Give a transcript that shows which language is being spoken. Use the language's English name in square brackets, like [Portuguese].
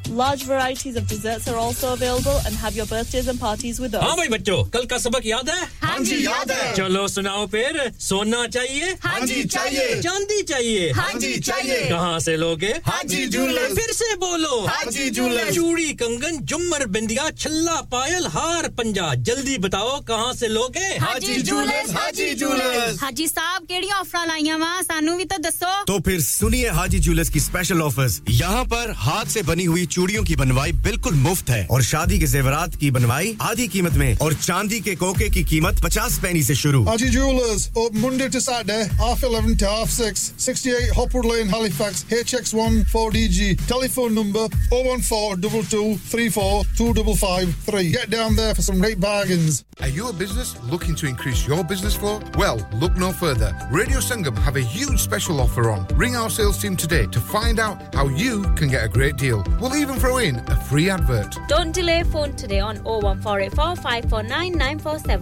[English] Large varieties of desserts are also available and have your birthdays and parties with us. [Hindi] हाँ भाई बच्चों, कल का सबक याद है? हाँ जी याद है. चलो सुनाओ फिर. सोना चाहिए? हाँ जी चाहिए. चांदी चाहिए? हाँ जी चाहिए. कहाँ से लोगे? हाँ जी जूलर. फिर से बोलो. हाँ जी जूलर. चूड़ी, कंगन, जुमर, बिंदिया, छल्ला, पायल, हार, पंजा. जल्दी बताओ कहाँ से लोगे? हाजी जूलर्स. हाजी जूलर्स. [Punjabi] हाजी साहब केड़ी ऑफर लाईया वा सानू भी तो दसो. [Hindi] तो फिर सुनिए हाजी जूलर्स की स्पेशल ऑफर्स. यहाँ पर हाथ से बनी हुई चूड़ियों की बनवाई बिल्कुल मुफ्त है और शादी के जेवरात की बनवाई आधी कीमत में और चांदी के कोके की कीमत 50 पैसे से शुरू. [English] Haji jewellers open Monday to Saturday half 11 to half 6 68 Hopwood Lane Halifax HX1 4DG telephone number 01422342553. Get down there for some great bargains. Are you a business looking to increase your business flow? Well, look no further. Radio Sangam have a huge special offer on. Ring our sales team today to find out how you can get a great deal. We'll even throw in a free advert. Don't delay. Phone today on 01484 549947.